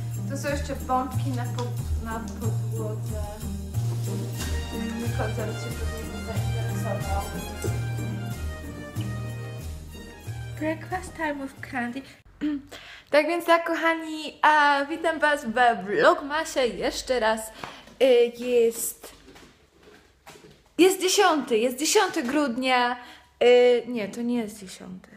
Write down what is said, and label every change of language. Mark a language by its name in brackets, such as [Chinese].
[Polish] To są jeszcze bombki na podłodze. Nie chodzę, że się to nie zainteresował. [English] Breakfast time with candy. [Polish] Tak więc tak, kochani, witam Was w vlogmasie jeszcze raz. Jest 10 grudnia. Nie, to nie jest 10.